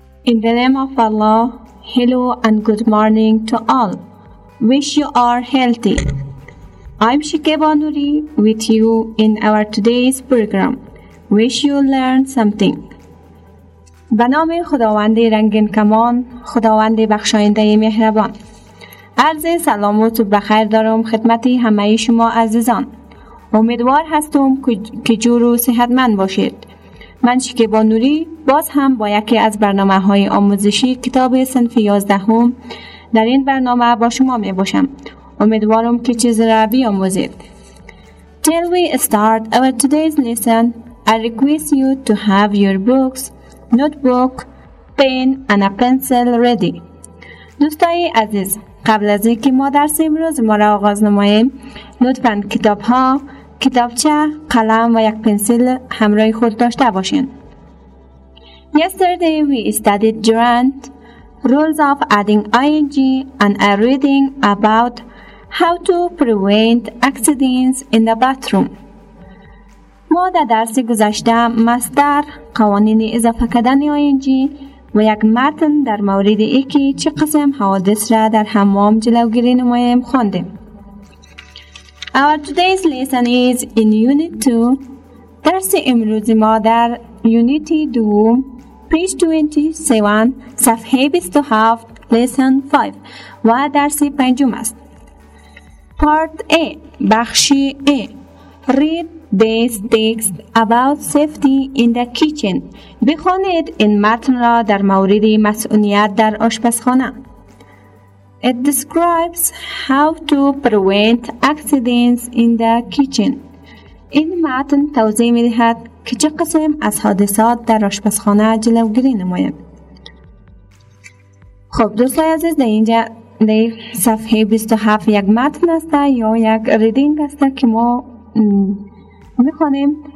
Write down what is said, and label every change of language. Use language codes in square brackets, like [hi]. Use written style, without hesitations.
[en] In the name of Allah, hello and good morning to all. Wish you are healthy. I'm Shekiba Noori with you in our today's program. Wish you learn something. [fa] بنامه خداوند رنگین کمان، خداوند بخشاینده مهربان. عرض سلام و تو بخیر دارم خدمت همه شما عزیزان. امیدوار هستم که جور و صحتمند باشید. من شکیبا نوری باز هم با یکی از برنامه های آموزشی کتاب صنف 11 در این برنامه با شما می باشم. امیدوارم که چیز را بیاموزید. [en] Till we start our today's lesson, I request you to have your books, notebook, pen and a pencil ready. [fa] دوستای عزیز، قبل از اینکه ما درس امروز ما را آغاز نماییم، لطفاً کتاب ها، کتابچه، قلم و یک پنسل همراه خود داشته باشین. [en] Yesterday we studied Durant, rules of adding ing and a reading about how to prevent accidents in the bathroom. [fa] ما در درس گذشته مصدر، قوانین اضافه کردن ing و یک متن در مورد اینکه چه قسم حوادث را در حمام جلوگیری نماییم خواندیم. [en] Our today's lesson is in Unit 2. [fa] درس امروز ما در [en] Unit 2, page 27, [fa] صفحه 27, [en] lesson 5 [fa] و درس پنجم است. [en] Part A, بخش A. Read this text about safety in the kitchen. [fa] بخوانید این متن را در مورد مسئولیت در آشپزخانه. [en] It describes how to prevent accidents in the kitchen. [fa] این متن توضیح می دهد که چه قسم از حادثات در آشپزخانه جلوگیری نماید. خب دوستای عزیز، در اینجا در صفحه 27 یک متن است یا یک ریدینگ است که ما می خوانیم.